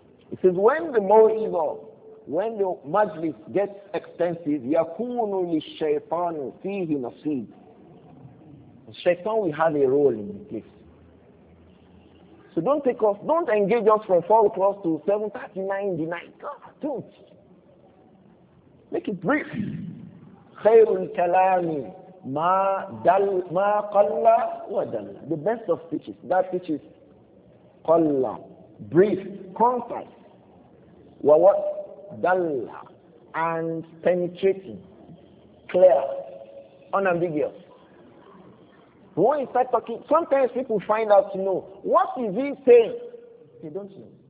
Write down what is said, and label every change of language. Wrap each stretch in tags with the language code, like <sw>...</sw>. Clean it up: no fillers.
<en>He says, when the mawidah, when the majlis gets extensive,</en> <ar>yakunu li-shaytanu fihi nasib.</ar> <en>Shaitan will have a role in this. So don't take us, don't engage us from 4 o'clock to 7:30, 9:00. God, don't. Make it brief.</en> <ar>خير الكلام ما دل ما قل ودل.</ar> <en>The best of speeches. That speech is قل. Brief. Concise.</en> <ar>وَوَدْ دل.</ar> <en>And penetrating. Clear. Unambiguous. When you start talking, sometimes people find out, you know, what is he saying? they don't know.</en>